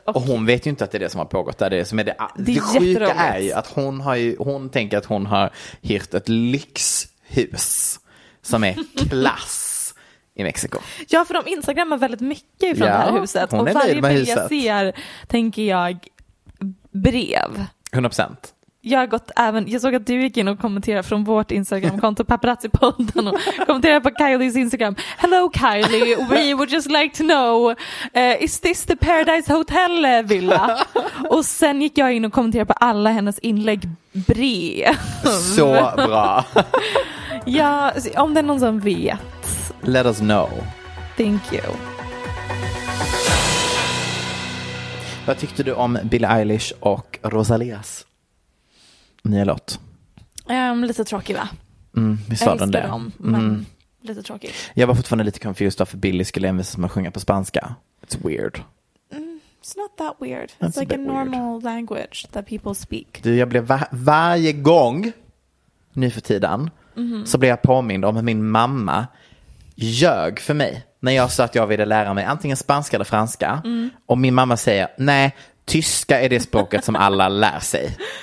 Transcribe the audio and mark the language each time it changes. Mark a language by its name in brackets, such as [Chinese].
[Swedish] Och hon vet ju inte att det är det som har pågått där. Det sjuka är ju att hon tänker att hon har hyrt ett lyxhus som är klass i Mexiko. Ja, för de instagrammar väldigt mycket från det här huset. Och varje bild jag ser, tänker jag, brev. 100%. Jag har gått även, jag såg att du gick in och kommenterade från vårt Instagram-konto Paparazzi-podden och kommenterade på Kylies Instagram. [English] Hello Kylie, we would just like to know, is this the Paradise Hotel villa? [Swedish] Och sen gick jag in och kommenterade på alla hennes inlägg brev. Så bra. Ja, om det är någon som vet. [English] Let us know. Thank you. [Swedish] Vad tyckte du om Billie Eilish och Rosalias nya låt? Lite tråkig, va? Mm, vi sa den det. Dem, men lite tråkig. Jag var fortfarande lite confused varför Billie skulle envisas med att sjunga på spanska. [English] It's weird. It's not that weird. It's like a normal language that people speak. [Swedish] Du, jag blev varje gång nu för tiden så blev jag påmind om hur min mamma ljög för mig när jag sa att jag ville lära mig antingen spanska eller franska. Mm. Och min mamma säger, nej, tyska är det språket som alla lär sig.